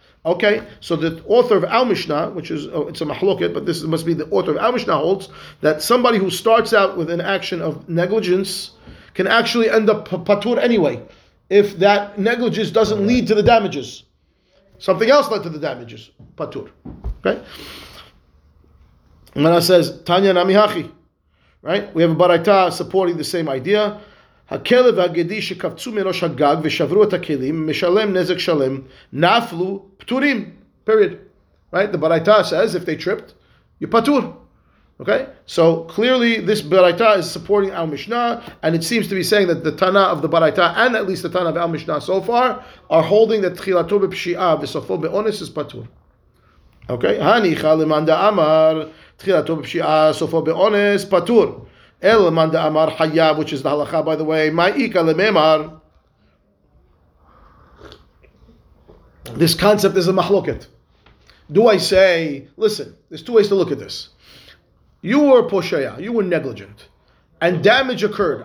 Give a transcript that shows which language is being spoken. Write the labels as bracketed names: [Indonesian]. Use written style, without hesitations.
[English] Okay, so the author of Al Mishnah, which is, it's a mahloket, but this must be the author of Al Mishnah, holds that somebody who starts out with an action of negligence can actually end up patur anyway, if that negligence doesn't lead to the damages. Something else led to the damages. Patur. Okay? And then it says, Tanya Namihachi. Right? We have a baraita supporting the same idea. [Hebrew] הכלב והגדי שקפצו מראש הגג ושברו את הכלים, משלם נזק שלם, נפלו פטורים. [English] Period. Right? The Baraita says, if they tripped, you patur. Okay? So, clearly, this Baraita is supporting our Mishnah, and it seems to be saying that the Tana of the Baraita, and at least the Tana of our Mishnah so far, are holding that [Hebrew] תחילתו בפשיעה וסופו באונס [English] is patur. Okay? [Aramaic] הניחא למאן דאמר, תחילתו בפשיעה, סופו באונס, patur. El manda amar hayav, [English] which is the halakha, by the way, [Aramaic] ma'ika lememar. [English] This concept is a machloket. Do I say, listen, there's two ways to look at this. You were posheya, you were negligent, and damage occurred.